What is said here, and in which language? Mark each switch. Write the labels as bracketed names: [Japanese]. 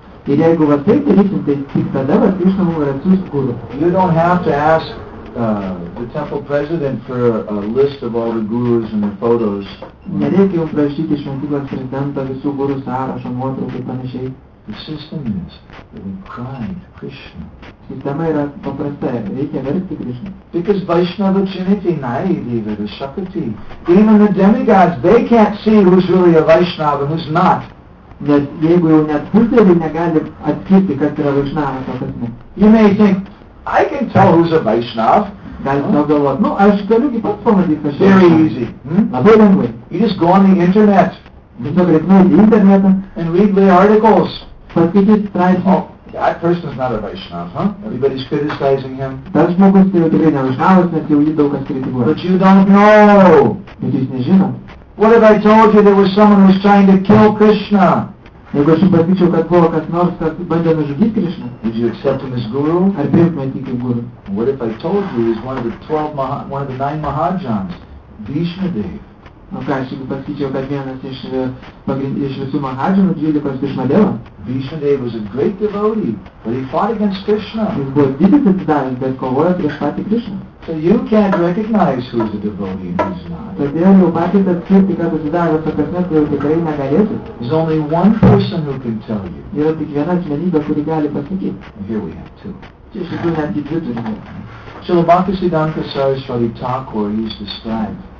[Lithuanian] Ir jeigu va taip darysim, tai tik tada va Krishna mums yra atsiųs guru. [English] You don't have to ask the temple president for a list of all the gurus and the photos. [Lithuanian] Nereikia jau prašyti šventyklos prezidento visų guru sąrašo, nuotraukų ir panašiai. [English] The system is that we cry to Krishna. [Lithuanian] Sistema yra paprasta, reikia verkti Krishna. [English] Because Vaishnava Chiniti, Naideva, the Shakti, even the demigods, they can't see who's really a Vaishnava and who's not. [Lithuanian] Nes jeigu jau net pusdėlį negali atskirti, kas yra Vaishnava, to kas ne. [English] You may think, I can tell who's a Vaishnava. [Lithuanian] Gali savo galvoti, nu aš galiu gi pats pamatyti, kas yra. [English] Very easy. [Lithuanian] Labai lengvai. [English] You just go on the internet. [Lithuanian] Tiesiog reikia į internetą. [English] And read the articles. [Lithuanian] Paskaityti straipsnį. [English] Oh, that person's not a Vaishnava, huh? Everybody's criticizing him. [Lithuanian] Tas žmogus yra tikrai ne Vaishnavas, nes jau jį daug kas kritikuoja. [English] But you don't know. [Lithuanian] Bet jis nežino. [English] What if I told you there was someone who was trying to kill Krishna? [Lithuanian] Jeigu aš pasakyčiau, kad buvo kas nors, kas bandė nužudyti Krishna? [English] Did you accept him as guru? [Lithuanian] Ar priimtumėt jį kaip guru? [English] What if I told you he was one of the nine Mahajans, Bhishmadeva? [Lithuanian] O ką, aš jeigu pasakyčiau, kad vienas iš visų Mahajanų, 12 Bhishmadeva? [English] Bhishmadeva was a great devotee, but he fought against Krishna. [Lithuanian] Jis buvo didis atsidavęs, bet kovojo prieš patį Krishna. [English] So you can't recognize who's a devotee and who's not. There's only one person who can tell you. Here we have two. Srila Bhaktisiddhanta Saraswati Thakur, he's described.